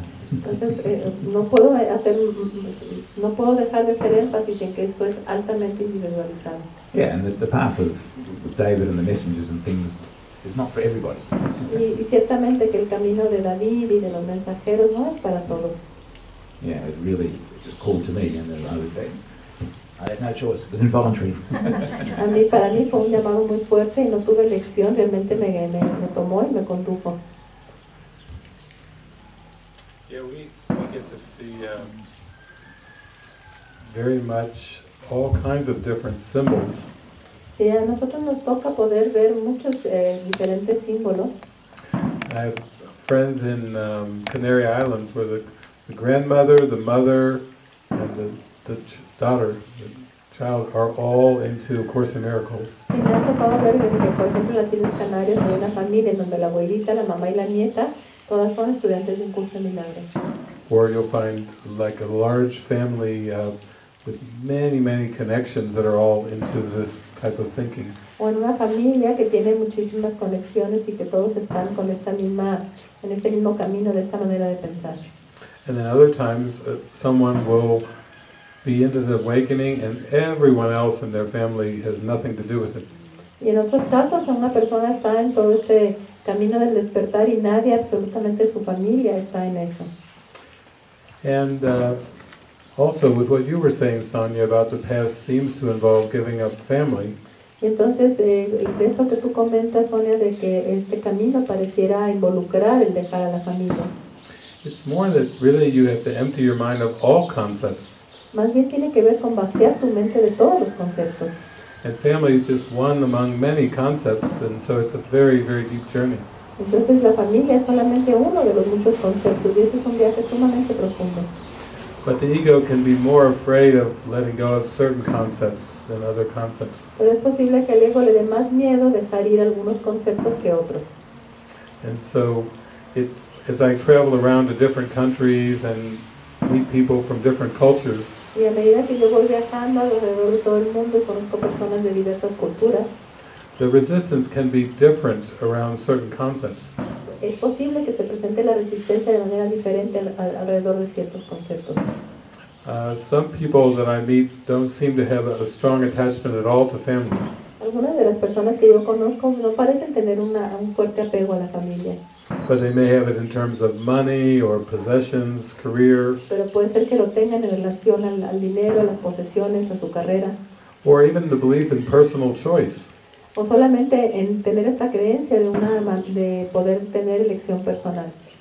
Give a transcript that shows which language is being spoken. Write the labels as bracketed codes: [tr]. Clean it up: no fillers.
[es] Entonces no puedo dejar de hacer énfasis en que esto es altamente individualizado. [en] Yeah, and the path of David and the messengers and things is not for everybody. [es] Y ciertamente que el camino de David y de los mensajeros no es para todos. [en] yeah, it really just called to me, and then I had no choice. It was involuntary. [es] A mí, para mí fue un llamado muy fuerte y no tuve elección. Realmente me tomó y me condujo. [en] Yeah, we get to see very much all kinds of different symbols. [es] Sí, a nosotros nos toca poder ver muchos diferentes símbolos. [en] I have friends in Canary Islands where the grandmother, the mother, and the daughter, the child, are all into A Course in Miracles. [es] Sí, me ha tocado ver, por ejemplo, las Islas Canarias, hay una familia en donde la abuelita, la mamá y la nieta, todas son estudiantes de Un Curso de Milagros. [en] Or you'll find like a large family with many, many connections that are all into this type of thinking. [es] O en una familia que tiene muchísimas conexiones y que todos están con esta misma, en este mismo camino, de esta manera de pensar. [en] And then other times, someone will be into the awakening and everyone else in their family has nothing to do with it. [es] Y en otros casos, una persona está en todo este camino del despertar y nadie, absolutamente su familia, está en eso. [en] And also with what you were saying, Sonia, about the past seems to involve giving up family. [es] Y entonces, de eso que tú comentas, Sonia, de que este camino pareciera involucrar el dejar a la familia. [en] It's more that really you have to empty your mind of all concepts. [es] Más bien tiene que ver con vaciar tu mente de todos los conceptos. [en] And family is just one among many concepts, and so it's a very, very deep journey. [es] Entonces la familia es solamente uno de los muchos conceptos, y este es un viaje sumamente profundo. [en] But the ego can be more afraid of letting go of certain concepts than other concepts. [es] Pero es posible que el ego le dé más miedo dejar ir algunos conceptos que otros. [en] And so, as I travel around to different countries and meet people from different cultures, [es] y a medida que yo voy viajando alrededor de todo el mundo y conozco personas de diversas culturas, [en] the resistance can be different around certain concepts. [es] Es posible que se presente la resistencia de manera diferente alrededor de ciertos conceptos. [en] Some people that I meet don't seem to have a strong attachment at all to family. [es] Algunas de las personas que yo conozco no parecen tener un fuerte apego a la familia. [en] But they may have it in terms of money or possessions, career. [es] Pero puede ser que lo tengan en relación al dinero, a las posesiones, a su carrera. [en] Or even the belief in personal choice. [es] O solamente en tener esta creencia de poder tener elección personal.